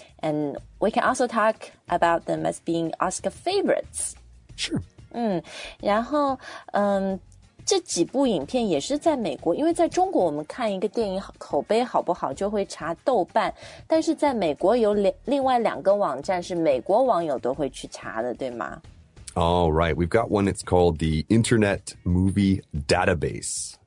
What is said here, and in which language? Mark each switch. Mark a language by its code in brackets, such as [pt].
[en] And we can also talk about them as being Oscar favorites. Sure. [zh] 然后这几部影片也是在美国，因为在中国我们看一个电影口碑好不好就会查豆瓣，但是在美国有另外两个网站是美国网友都会去查的，对吗？ [en] Oh, right. We've got one, it's called the Internet Movie Database.